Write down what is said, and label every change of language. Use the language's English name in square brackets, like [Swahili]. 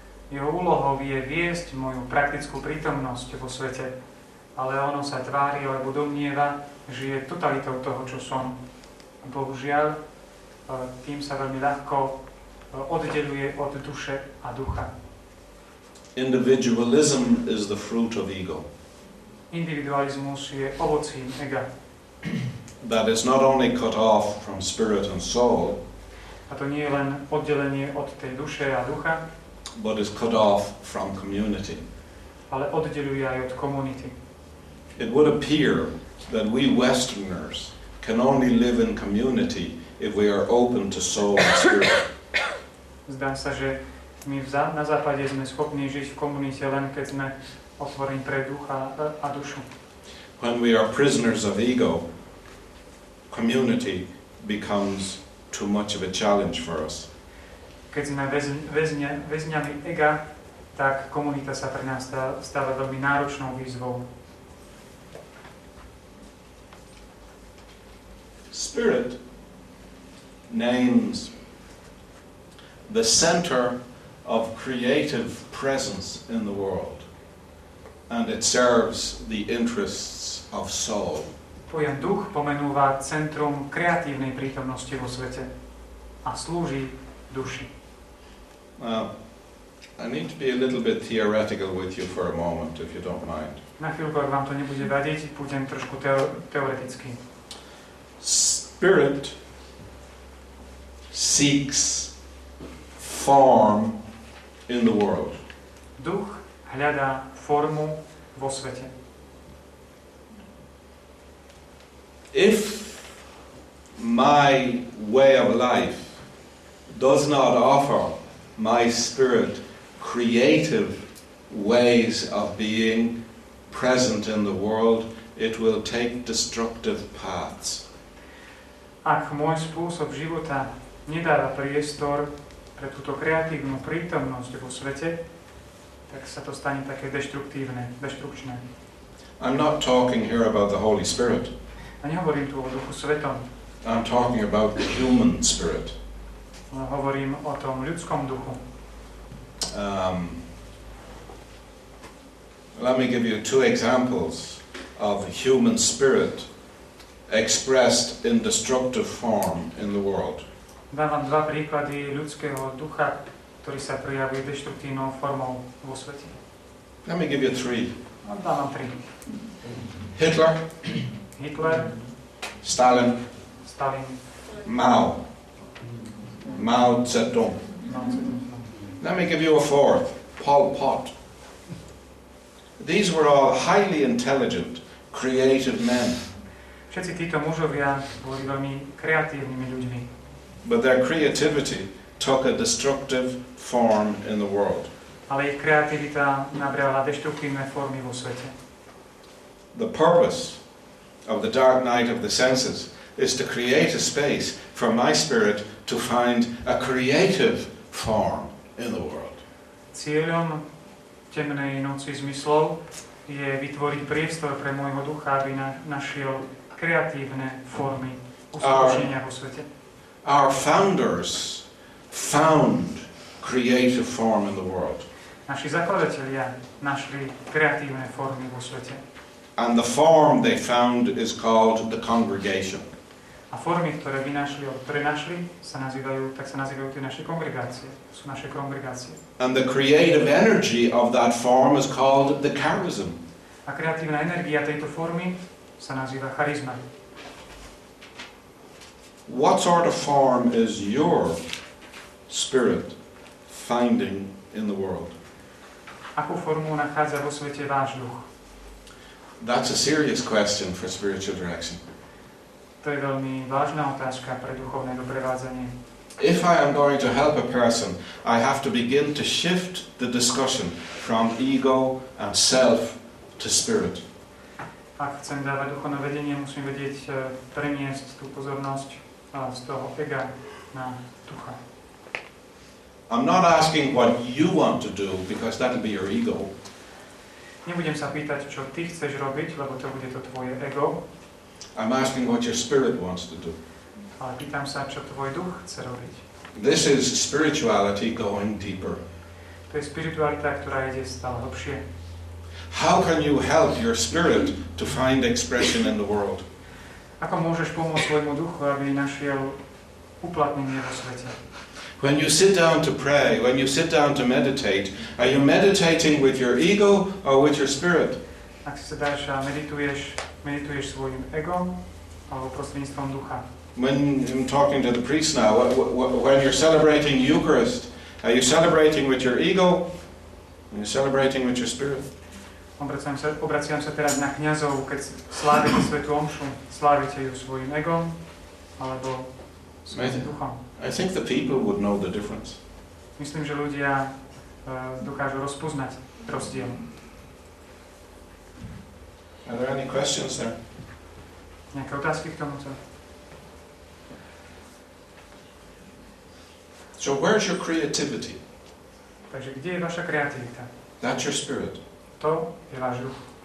[Slovak] Jeho úlohou je viesť moju praktickú prítomnosť vo svete, ale ono sa tvári alebo domnieva, že je totalitou toho, čo som. Bohužiaľ, tým sa veľmi ľahko oddeluje od duše a ducha. [English] Individualism is the fruit of ego. [Slovak] Individualizmus je ovocím ega. [English] That is not only cut off from spirit and soul. [Slovak] A to nie je len oddelenie od tej duše a ducha. [English] But is cut off from community. [Slovak] Ale oddeluje aj od komunity. [English] It would appear that we Westerners can only live in community if we are open to soul and spirit. [Slovak] Zdá sa, že my na západe sme schopní žiť v komunite len keď sme otvorení pre ducha a dušu. [English] When we are prisoners of ego, community becomes too much of a challenge for us. [Slovak] Keď sme väzňami ega, tak komunita sa pre nás stáva veľmi náročnou výzvou. [English] Spirit names the center of creative presence in the world, and it serves the interests of soul. [Slovak] Pojem duch pomenúva centrum kreatívnej prítomnosti vo svete a slúži duši. [English] I need to be a little bit theoretical with you for a moment, if you don't mind. [Slovak] Na chvíľku, ak vám to nebude vadiť, budem trošku teoretický. [English] Spirit seeks form in the world. [Slovak] Duch hľadá formu vo svete. [English] If my way of life does not offer my spirit creative ways of being present in the world, it will take destructive paths. [Slovak] Ak môj spôsob života nedáva priestor pre túto kreatívnu prítomnosť vo svete, tak sa to stane také deštruktívne, deštrukčné. [English] I'm not talking here about the Holy Spirit. [Slovak] A nehovorím tu o Duchu Svetom. [English] I'm talking about the human spirit. [Slovak] No, hovorím o tom ľudskom duchu. [English] Let me give you two examples of human spirit expressed in destructive form in the world. [Slovak] Dám vám dva príklady ľudského ducha, ktorý sa prejavuje deštruktívnou formou vo svete. [English] Let me give you three. [Slovak] Dám vám tri. [English] Hitler. Stalin. Mao Zedong. Let me give you a fourth. Pol Pot. These were all highly intelligent, creative men. [Slovak] Všetci títo mužovia boli veľmi kreatívnymi ľuďmi. [English] But their creativity took a destructive form in the world. [Slovak] Ale ich kreativita nabrala destruktívne formy vo svete. [English] The purpose of the dark night of the senses is to create a space for my spirit to find a creative form in the world. [Slovak] Cieľom temnej noci zmyslov je vytvoriť priestor pre môjho ducha, aby našiel kreatívne formy uskutočnenia vo svete. [English] Our founders found creative form in the world. [Slovak] Naši zakladatelia našli kreatívne formy vo svete. [English] And the form they found is called the congregation. [Slovak] A formy, ktoré vynašli, prenašli, sa nazývajú tie naše kongregácie, sú naše kongregácie. [English] And the creative energy of that form is called the charism. [Slovak] A kreatívna energia tejto formy sa nazýva charizma. [English] What sort of form is your spirit finding in the world? [Slovak] Akú formu nachádza vo svete váš duch? [English] That's a serious question for spiritual direction. [Slovak] To je veľmi vážna otázka pre duchovné doprevádzanie. [English] If I am going to help a person, I have to begin to shift the discussion from ego and self to spirit. [Slovak] Ak chcem dávať duchovné vedenie, musím vedieť preniesť tú pozornosť z toho ega na ducha. [English] I'm not asking what you want to do, because that'll be your ego. [Slovak] Nebudem sa pýtať, čo ty chceš robiť, lebo to bude to tvoje ego. [English] I'm asking what your spirit wants to do. [Slovak] Ale pýtam sa, čo tvoj duch chce robiť. [English] This is spirituality going deeper. [Slovak] To je spiritualita, ktorá ide stále hlbšie. [English] How can you help your spirit to find expression in the world? [Slovak] Ako môžeš pomôcť svojmu duchu, aby našiel uplatnenie vo svete? [English] When you sit down to pray, when you sit down to meditate, are you meditating with your ego or with your spirit? [Slovak] Ak si sedáš a medituješ svojim egom alebo prostredníctvom ducha? [English] When I'm talking to the priest now, when you're celebrating Eucharist, are you celebrating with your ego or are you celebrating with your spirit? [Slovak] Obraciam sa teraz na kňazov, keď slávite svetú omšu, slávite ju svojim egom alebo svojim duchom? [English] I think the people would know the difference. [Slovak] Myslím, že ľudia dokážu rozpoznať rozdiel. [English] Are there any questions there? [Slovak] Nejaké otázky k tomuto? [English] So where's your creativity? [Slovak] Takže kde je vaša kreativita? [English] That's your spirit. [Slovak] To je váš duch.